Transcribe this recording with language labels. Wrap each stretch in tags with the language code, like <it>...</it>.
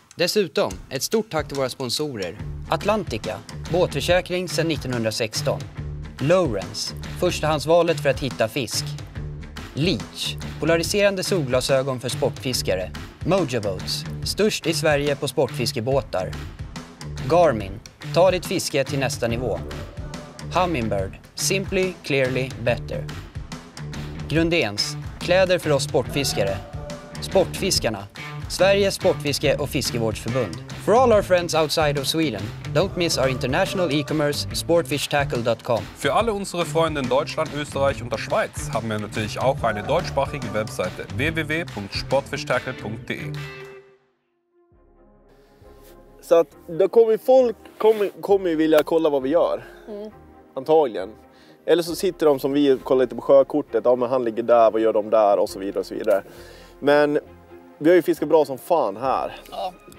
<sv>Dessutom, ett stort tack till våra sponsorer. Atlantica, båtförsäkring sedan 1916. Lowrance, förstahandsvalet för att hitta fisk. Leach, polariserande solglasögon för sportfiskare. Mojoboats, störst i Sverige på sportfiskebåtar. Garmin, ta ditt fiske till nästa nivå.</sv> <en>Hummingbird, simply, clearly, better.</en> <sv>Grundens, kläder för oss sportfiskare. Sportfiskarna, Sveriges sportfiske- och fiskevårdsförbund.</sv> <en>For all our friends outside of Sweden, don't miss our international e-commerce sportfishtackle.com.</en> <de>Für alle unsere Freunde in Deutschland, Österreich und der Schweiz haben wir natürlich auch eine deutschsprachige Webseite www.sportfishtackle.de.</de> <sv>Så att då kommer folk kommer vilja kolla vad vi gör. Mm. Antagligen. Eller så sitter de som vi kollar lite på sjökortet. Ja, men han ligger där, vad gör de där och så vidare och så vidare. Men vi har ju fiskat bra som fan här. Ja.</sv>